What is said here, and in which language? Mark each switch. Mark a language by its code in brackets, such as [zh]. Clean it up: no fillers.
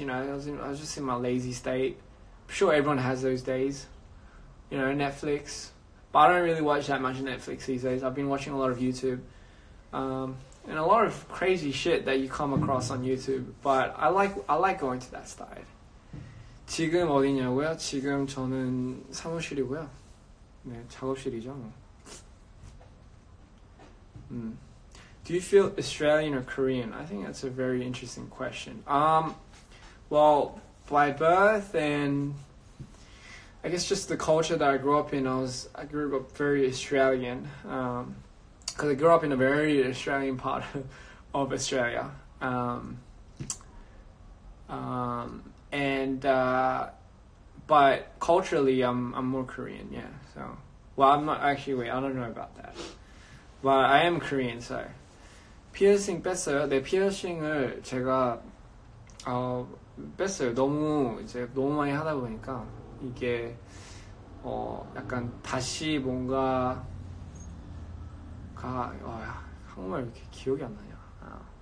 [en] You know, I was just in my lazy state. I'm sure everyone has those days. You know, Netflix. But I don't really watch that much Netflix these days. I've been watching a lot of YouTube. And a lot of crazy shit that you come across on YouTube, but I like going to that side. [ko] 지금 어디냐고요? 지금 저는 사무실이고요. 네, 작업실이죠. [en] Do you feel Australian or Korean? I think that's a very interesting question. Well, by birth and I guess just the culture that I grew up in, I grew up very Australian. Because I grew up in a very Australian part of Australia. But culturally, I'm more Korean, yeah. So, well, I'm not actually, wait, I don't know about that. But I am Korean, so. [ko] 피어싱 뺐어요? 네, 피어싱을 제가 뺐어요. 너무 많이 하다 보니까 이게 약간 다시 뭔가 한국말 왜 이렇게 기억이 안 나냐.